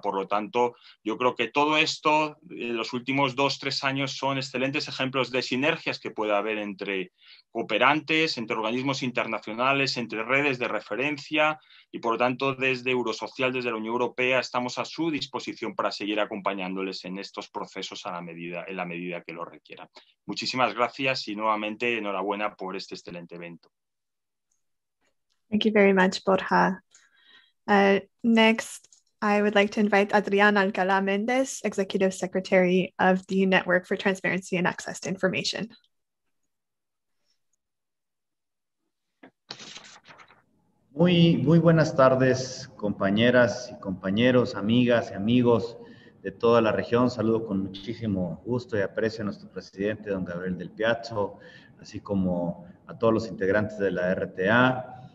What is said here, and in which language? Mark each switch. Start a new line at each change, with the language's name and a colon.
Spanish: Por lo tanto, yo creo que todo esto en los últimos 2-3 años son excelentes ejemplos de sinergias que puede haber entre cooperantes, entre organismos internacionales, entre redes de referencia, y por lo tanto desde Eurosocial, desde la Unión Europea, estamos a su disposición para seguir acompañándoles en estos procesos en la medida que lo requieran. Muchísimas gracias y nuevamente enhorabuena por este excelente evento.
English: Thank you very much, Borja. Next, I would like to invite Adrián Alcalá Méndez, Executive Secretary of the Network for Transparency and Access to Information.
Spanish: Muy, muy buenas tardes, compañeras y compañeros, amigas y amigos de toda la región. Saludo con muchísimo gusto y aprecio a nuestro presidente, don Gabriel del Piazzo, así como a todos los integrantes de la RTA.